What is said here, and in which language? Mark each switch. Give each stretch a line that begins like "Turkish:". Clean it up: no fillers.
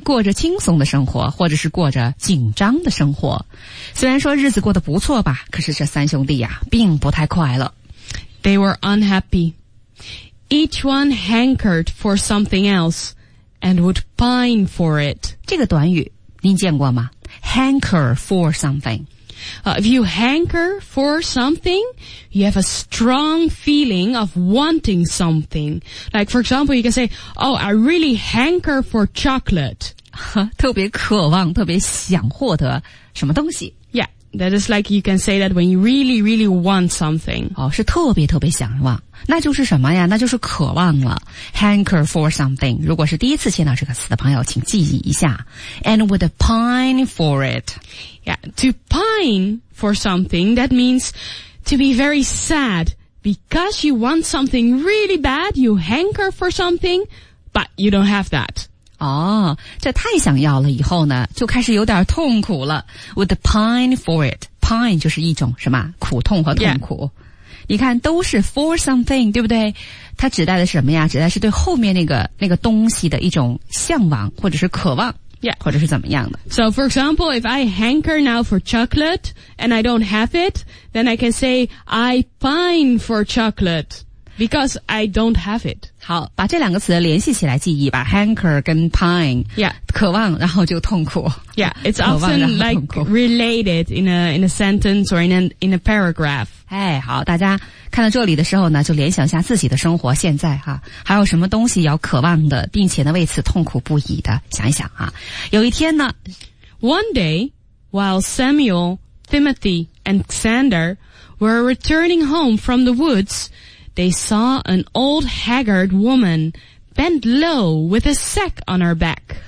Chinese: 过着轻松的生活，或者是过着紧张的生活。虽然说日子过得不错吧，可是这三兄弟啊，并不太快乐。
English: They were unhappy. Each one hankered for something else and would pine for it.
Chinese: 这个短语您见过吗？
English: Hanker for something. If you hanker for something, you have a strong feeling of wanting something. Like, for example, you can say, oh, I really hanker for chocolate.
Chinese: 特别渴望，特别想获得什么东西。
English: Yeah, That is like you can say that when you really, really want something.
Chinese: 哦，是特别特别想望，那就是什么呀？那就是渴望了。
English: Hanker for something.
Chinese: 如果是第一次见到这个词的朋友，请记忆一下。
English: And with a pine for it. Yeah, to pine for something, that means to be very sad. Because you want something really bad, you hanker for something, but you don't have that.
Chinese: 哦，这太想要了以后呢，就开始有点痛苦了。
English: With the pine for it.
Chinese: Pine 就是一种什么苦痛和痛苦。
English: Yeah.
Chinese: 你看都是
English: for something,
Chinese: 对不对？它指代的是什么呀？指代是对后面那个东西的一种向往或者是渴望。
English: Yeah.
Chinese: 或者是怎么样的。
English: So for example, if I hanker now for chocolate and I don't have it, then I can say I pine for chocolate. Because I don't have it.
Chinese: 好，把这两个词联系起来记忆吧。
English: Hanker 跟 pine. Yeah.
Chinese: 渴望然后就痛苦。
English: Yeah, it's often like related in a sentence or in a paragraph.
Chinese: 哎，好，大家看到这里的时候呢，就联想一下自己的生活现在哈，还有什么东西要渴望的，并且呢为此痛苦不已的，想一想啊。有一天呢
English: ,One day, while Samuel, Timothy, and Xander were returning home from the woods,They saw an old haggard woman bent low with a sack on her back.